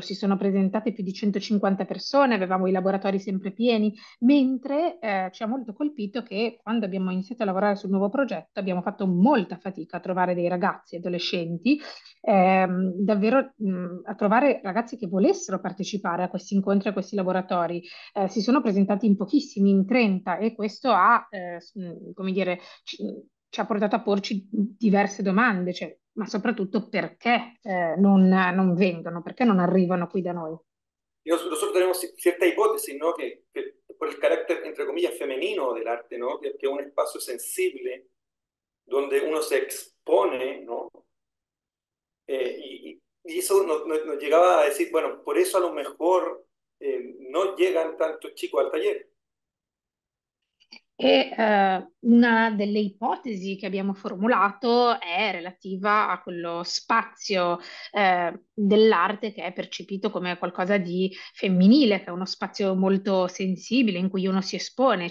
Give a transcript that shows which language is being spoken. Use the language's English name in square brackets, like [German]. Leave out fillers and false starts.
[Italian] Si sono presentate più di 150 persone, avevamo i laboratori sempre pieni, mentre ci ha molto colpito che quando abbiamo iniziato a lavorare sul nuovo progetto abbiamo fatto molta fatica a trovare dei ragazzi, adolescenti, davvero a trovare ragazzi che volessero partecipare a questi incontri, a questi laboratori. Si sono presentati in pochissimi, in 30, e questo ha, come dire, ci ha portato a porci diverse domande, cioè, ma soprattutto perché, non vengono, perché non arrivano qui da noi. [Spanish] Nosotros tenemos cierta hipótesis, ¿no? Que por el carácter, entre comillas, femenino del arte, ¿no? Que es un espacio sensible donde uno se expone, ¿no? Y eso nos llegaba a decir, bueno, por eso a lo mejor no llegan tantos chicos al taller. [Italian] Una delle ipotesi che abbiamo formulato è relativa a quello spazio dell'arte che è percepito come qualcosa di femminile, che è uno spazio molto sensibile in cui uno si espone.